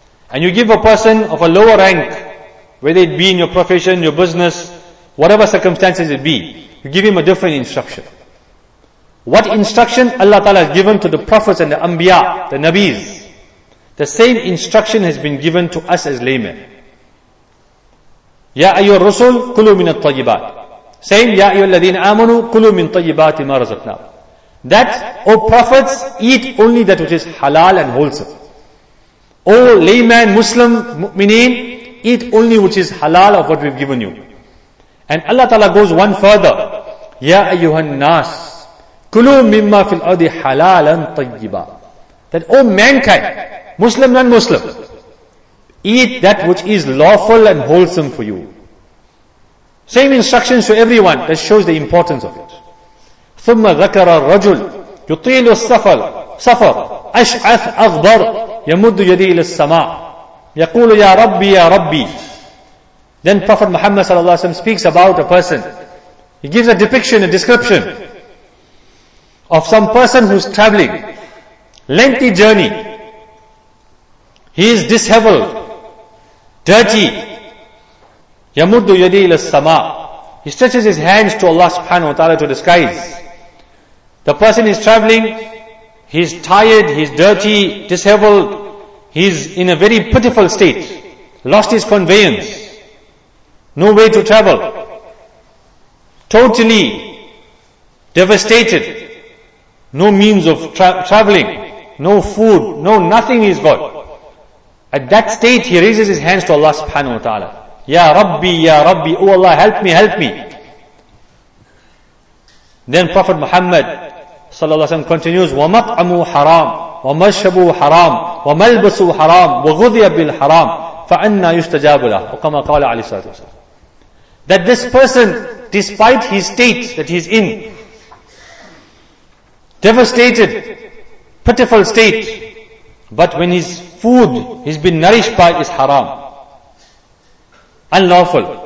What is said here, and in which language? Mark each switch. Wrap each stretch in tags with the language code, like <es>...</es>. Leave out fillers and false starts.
<en>And you give a person of a lower rank, whether it be in your profession, your business, whatever circumstances it be, you give him a different instruction. What instruction Allah Ta'ala has given to the prophets and the anbiya, the nabis, the same instruction has been given to us as laymen.</en> <ar>يا أيها الرسل كلوا من الطيبات. Same, يا أيها الذين آمنوا كلوا من طيبات ما رزقنا.</ar> <en>That, O prophets, eat only that which is halal and wholesome. O layman, Muslim, mu'mineen, eat only which is halal of what we've given you. And Allah Ta'ala goes one further.</en> <ar>يا أيها الناس كلوا مما في الأرض حلالا طيبا.</ar> <en>That, O mankind, Muslim and Muslim, eat that which is lawful and wholesome for you. Same instructions to everyone. That shows the importance of it.</en> <ar>ثُمَّ ذَكَرَ الرَّجُلُ يُطِيلُ السَّفَرَ أَشْعَثْ أَغْبَرُ يمد يدي إلى السماء يقول يا ربي يا ربي.</ar> <en>Then Prophet Muhammad صلى الله عليه وسلم speaks about a person. He gives a depiction, a description of some person who's traveling lengthy journey. He is disheveled, dirty.</en> <ar>يَمُدُّ يَدِي إِلَى السَّمَاءِ.</ar> <en>He stretches his hands to Allah subhanahu wa ta'ala, to the skies. The person is traveling, he's tired, he's dirty, disheveled, he's in a very pitiful state, lost his conveyance, no way to travel, totally devastated, no means of traveling, no food, no nothing he's got. At that state, he raises his hands to Allah subhanahu wa ta'ala. Ya Rabbi, Ya Rabbi, O Allah, help me, help me. Then Prophet Muhammad</en> <ar>صلى الله عليه وسلم continues, وَمَطْعَمُوا حَرَامٌ وَمَشْرَبُوا حَرَامٌ وَمَلْبَسُوا حَرَامٌ وَغُذِيَ بِالْحَرَامٌ فَأَنَّا يُسْتَجَابُ لَهُ وَكَمَا قَالَ عَلَيْهِ صَلَّى اللَّهُ عَلَيْهِ وَسَلَّمُ.</ar> <en>That this person, despite his state that he's in, devastated, pitiful state, but when his food, he's been nourished by, is haram, unlawful.</en>